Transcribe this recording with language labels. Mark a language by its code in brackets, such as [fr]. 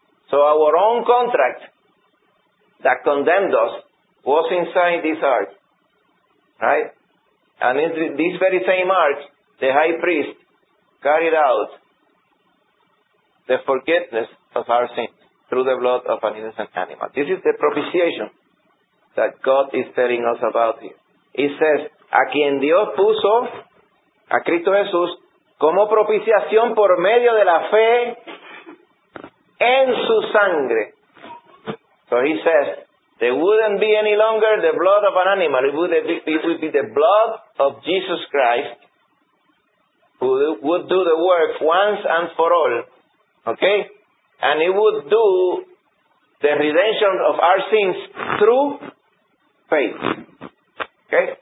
[en] So our own contract that condemned us was inside this ark. Right? And in this very same ark, the high priest carried out the forgiveness of our sins through the blood of an innocent animal. This is the propitiation that God is telling us about here. It says, [es] a quien Dios puso, a Cristo Jesús, como propiciación por medio de la fe en su sangre. [en] So he says, there wouldn't be any longer the blood of an animal. It would be the blood of Jesus Christ who would do the work once and for all. Okay? And it would do the redemption of our sins through faith. Okay?